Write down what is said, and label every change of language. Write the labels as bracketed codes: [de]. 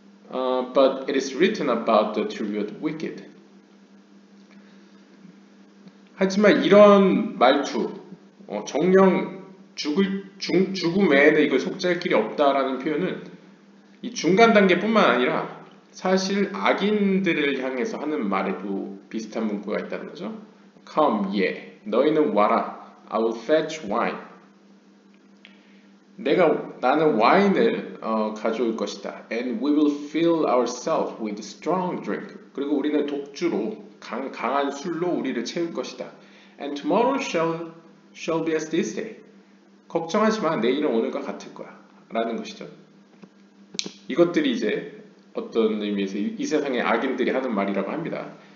[en] But it is written about the attribute wicked. [ko] 하지만 이런 말투, 정령 죽음 외에는 이걸 속죄할 길이 없다라는 표현은 이 중간 단계뿐만 아니라 사실 악인들을 향해서 하는 말에도 비슷한 문구가 있다는 거죠. [en] Come, yeah. [ko] 너희는 와라. [en] I will fetch wine. [ko] 나는 와인을 가져올 것이다. [en] And we will fill ourselves with strong drink. [ko] 그리고 우리는 독주로 강한 술로 우리를 채울 것이다. [en] And tomorrow shall be as this day. [ko] 걱정하지 마. 내일은 오늘과 같을 거야. 라는 것이죠. 이것들이 이제 어떤 의미에서 이 세상의 악인들이 하는 말이라고 합니다.